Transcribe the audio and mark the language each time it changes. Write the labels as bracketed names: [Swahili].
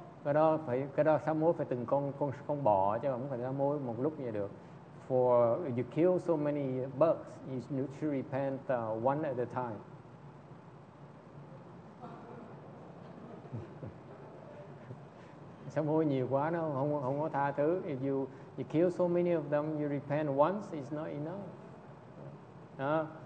[Vietnamese] Cái đó phải, cái đó sám hối phải từng con bò chứ không phải sám hối một lúc vậy được. [English] For you kill so many bugs, you need to repent one at a time. [Vietnamese] Sám hối nhiều quá nó không có tha thứ. [English] If you kill so many of them, you repent once, it's not enough.